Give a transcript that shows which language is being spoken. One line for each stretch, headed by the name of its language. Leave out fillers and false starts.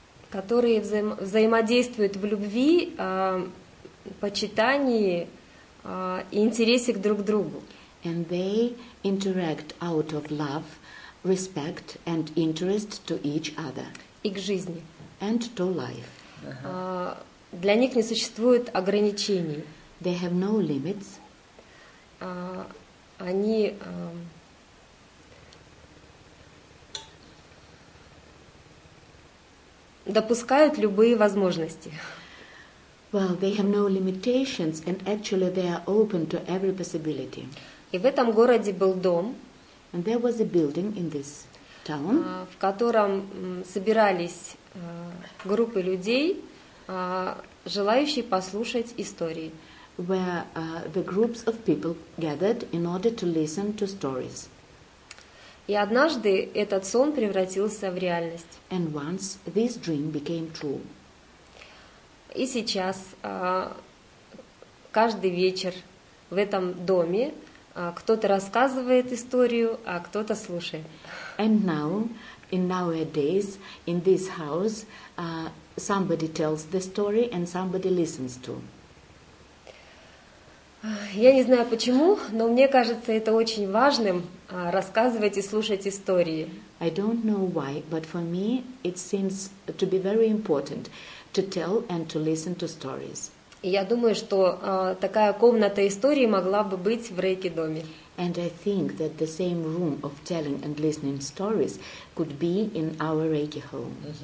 Russian: Которые взаимодействуют в любви, почитании и интересе к друг другу.
English: And they interact out of love, respect and interest to each other.
Russian: И к жизни.
English: And to life.
Russian: Для них не существует ограничений.
English: They have no limits.
Russian: Они допускают любые возможности.
English: Well, they have no limitations, and actually they are open to every possibility.
Russian: И в этом городе был дом.
English: And there was a building in this town.
Russian: В котором собирались группы людей, желающие послушать истории.
English: Where the groups of people gathered in order to listen to stories.
Russian: И однажды этот сон превратился в реальность.
English: And once this dream became true.
Russian: И сейчас каждый вечер в этом доме кто-то рассказывает историю, а кто-то слушает.
English: And now, in nowadays, in this house, somebody tells the story and somebody listens to.
Russian: Я не знаю почему, но мне кажется, это очень важным рассказывать и слушать истории.
English: I don't know why, but for me it seems to be very important to tell and to listen to stories.
Russian: Я думаю, что такая комната истории могла бы быть в рейки-доме.
English: And I think that the same room of telling and listening stories could be in our Reiki home.